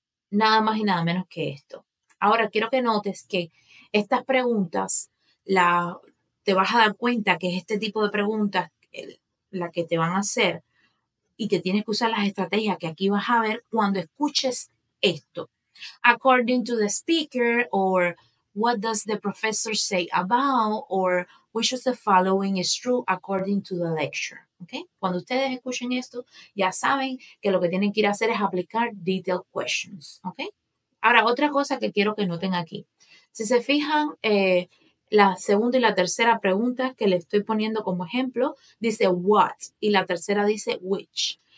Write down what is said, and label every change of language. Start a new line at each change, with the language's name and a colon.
Spanish: Nada más y nada menos que esto. Ahora, quiero que notes que estas preguntas, te vas a dar cuenta que es este tipo de preguntas la que te van a hacer y que tienes que usar las estrategias que aquí vas a ver cuando escuches esto.
English: According to the speaker or what does the professor say about or which of the following is true according to the lecture. ¿Okay?
Spanish: Cuando ustedes escuchen esto, ya saben que lo que tienen que ir a hacer es aplicar detailed questions. ¿Okay? Ahora, otra cosa que quiero que noten aquí. Si se fijan, la segunda y la tercera pregunta que le estoy poniendo como ejemplo dice what y la tercera dice which.